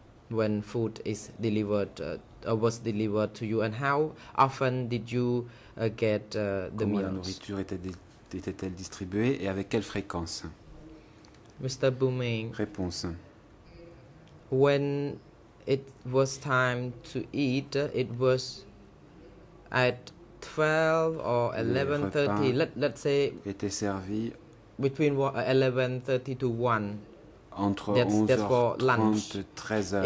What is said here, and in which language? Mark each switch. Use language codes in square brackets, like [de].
[en] When food is delivered, was delivered to you, and how often did you get the meals? [fr] Comment la nourriture était-elle distribuée et avec quelle fréquence? [en] Mr. Buming. [fr] Réponse. [en] When it was time to eat, it was at 12 or 11:30. Let's say. [fr] Était servi. [en] Between 11:30 to 1. [fr] Entre 11h30 et 13h